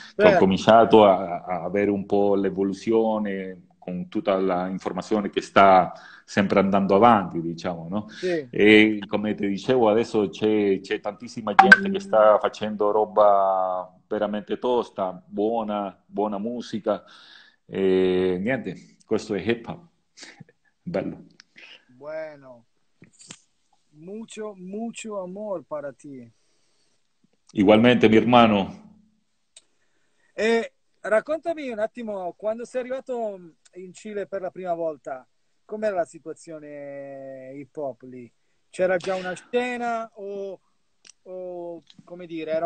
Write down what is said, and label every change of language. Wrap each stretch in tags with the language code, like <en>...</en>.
<it>Che ho cominciato a avere un po' l'evoluzione con tutta l'informazione che sta sempre andando avanti, diciamo, no? Sì. E come ti dicevo, adesso c'è tantissima gente che sta facendo roba veramente tosta, buona musica, e niente, questo è hip hop, bello.</it> <es>Bueno, mucho, mucho amor para ti. Igualmente, mi hermano.</es> <it>E raccontami un attimo, quando sei arrivato in Cile per la prima volta, com'era la situazione hip hop lì? C'era già una scena o come dire, era</it>